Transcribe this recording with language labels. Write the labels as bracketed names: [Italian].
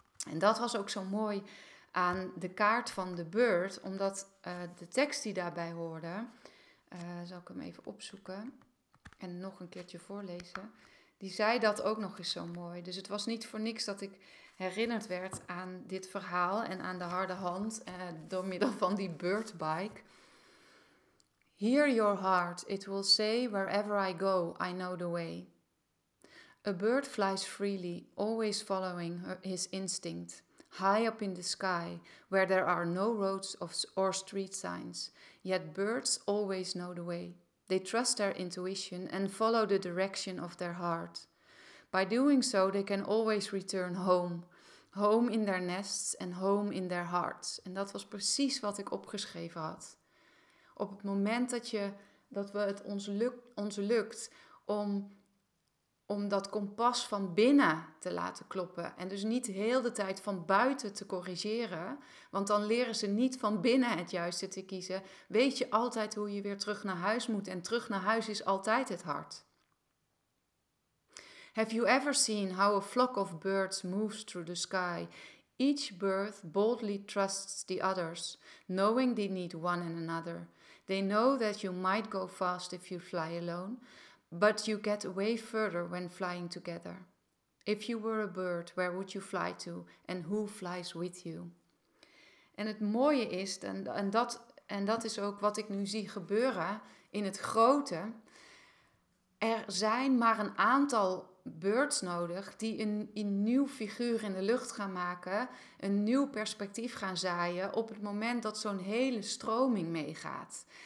[Dutch] En dat was ook zo mooi aan de kaart van de beurt, omdat de tekst die daarbij hoorde, zal ik hem even opzoeken en nog een keertje voorlezen, die zei dat ook nog eens zo mooi. Dus het was niet voor niks dat ik herinnerd werd aan dit verhaal en aan de harde hand door middel van die birdbike. [English] Hear your heart, it will say wherever I go, I know the way. A bird flies freely, always following his instinct. High up in the sky, where there are no roads or street signs. Yet birds always know the way. They trust their intuition and follow the direction of their heart. By doing so, they can always return home. Home in their nests and home in their hearts. [Dutch] En dat was precies wat ik opgeschreven had. Op het moment dat het ons lukt om dat kompas van binnen te laten kloppen. En dus niet heel de tijd van buiten te corrigeren. Want dan leren ze niet van binnen het juiste te kiezen. Weet je altijd hoe je weer terug naar huis moet. En terug naar huis is altijd het hart. [English] Have you ever seen how a flock of birds moves through the sky? Each bird boldly trusts the others, knowing they need one and another. They know that you might go fast if you fly alone, but you get away further when flying together. If you were a bird, where would you fly to? And who flies with you? [Dutch] En het mooie is, en dat is ook wat ik nu zie gebeuren in het grote. Er zijn maar een aantal birds nodig die een nieuw figuur in de lucht gaan maken. Een nieuw perspectief gaan zaaien op het moment dat zo'n hele stroming meegaat.